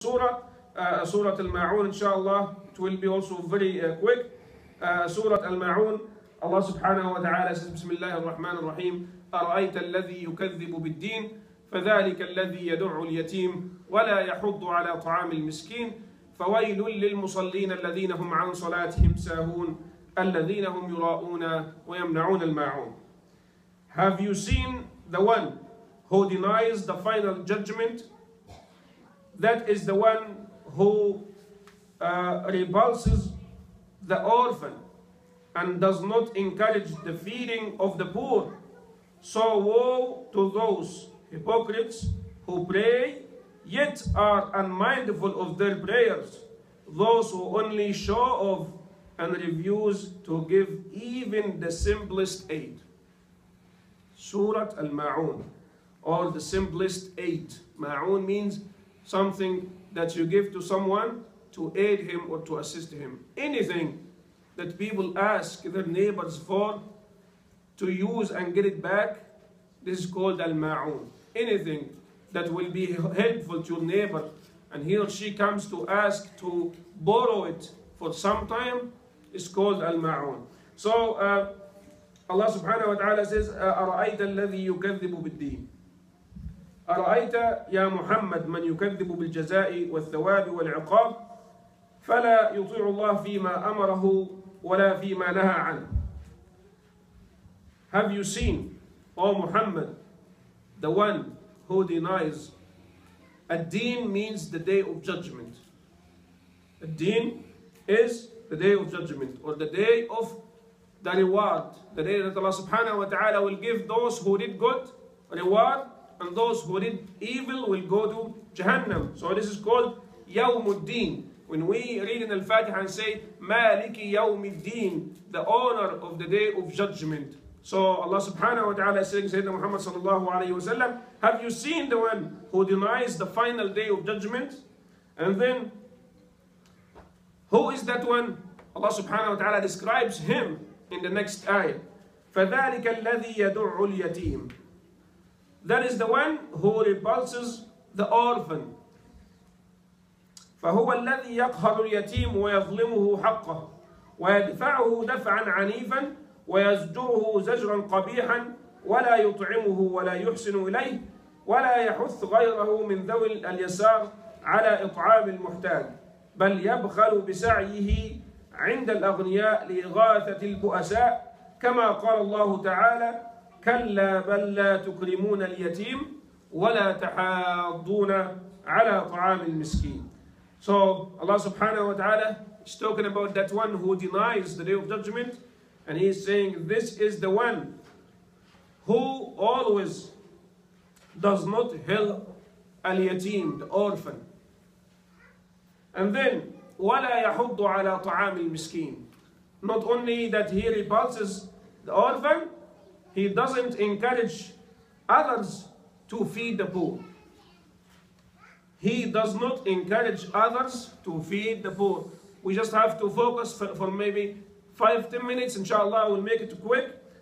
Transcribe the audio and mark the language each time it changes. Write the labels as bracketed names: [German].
[English] Surah Al-Ma'un, inshallah, it will be also very quick. [Arabic] Surah Al-Ma'un, Allah subhanahu wa ta'ala says, Bismillah ar-Rahman ar-Rahim, أرأيت الذي يكذب بالدين فذلك الذي يدعو اليتيم ولا يحض على طعام المسكين فويل للمصلين الذين هم عن صلاتهم ساهون الذين هم يراؤون ويمنعون الماعون. [English] Have you seen the one who denies the final judgment? That is the one who repulses the orphan and does not encourage the feeding of the poor. So woe to those hypocrites who pray, yet are unmindful of their prayers, those who only show off and refuse to give even the simplest aid. Surah Al-Ma'un, or the simplest aid. Ma'un means something that you give to someone to aid him or to assist him. Anything that people ask their neighbors for to use and get it back, this is called al-ma'un. Anything that will be helpful to your neighbor and he or she comes to ask to borrow it for some time is called al-ma'un. So [Arabic] Allah subhanahu wa ta'ala says, أَرَأَيْتَ الَّذِي يُكَذِّبُ بِالدِّينِ أَرَأَيْتَ يَا مُحَمَّدْ مَنْ يُكَذِّبُ بِالْجَزَاءِ وَالثَّوَابِ وَالْعِقَابِ فَلَا يُطِيعُ اللَّهُ فِي مَا أَمَرَهُ وَلَا فِي مَا نَهَى عَنْهُ. [English] Have you seen, O Muhammad, the one who denies? Ad-Din means the day of judgment. Ad-Din is the day of judgment, or the day of the reward, the day that Allah subhanahu wa ta'ala will give those who did good reward, and those who did evil will go to Jahannam. So this is called Yawm al-Din. When we read in Al-Fatiha and say, [Arabic] Maliki Yawm al-Din, [English] the owner of the day of judgment. So Allah subhanahu wa ta'ala is saying, Sayyidina Muhammad sallallahu alayhi wa sallam, have you seen the one who denies the final day of judgment? And then, who is that one? Allah subhanahu wa ta'ala describes him in the next ayah. [Arabic] فَذَٰلِكَ الَّذِي يَدُعُّ الْيَتِيمِ. [English] That is the one who repulses the orphan. [Arabic] فَهُوَ الَّذِي يَقْهَرُ الْيَتِيمُ وَيَظْلِمُهُ حَقَّهُ وَيَدْفَعُهُ دَفْعًا عَنِيفًا ويزجره زجرا قبيحا ولا يطعمه ولا يحسن اليه ولا يحث غيره من ذوي اليسار على اطعام المحتاج بل يبخل بسعيه عند الاغنياء لاغاثه البؤساء كما قال الله تعالى كلا بل لا تكرمون اليتيم ولا تحاضون على طعام المسكين. [English] So Allah subhanahu wa ta'ala is talking about that one who denies the day of judgment. And he is saying, this is the one who always does not help al-yateem, the orphan. And then, [Arabic] وَلَا يَحُضُّ عَلَىٰ طَعَامِ الْمِسْكِينَ. [English] Not only that he repulses the orphan, he doesn't encourage others to feed the poor. He does not encourage others to feed the poor. We just have to focus for maybe 5-10 minutes, inshallah, I will make it quick.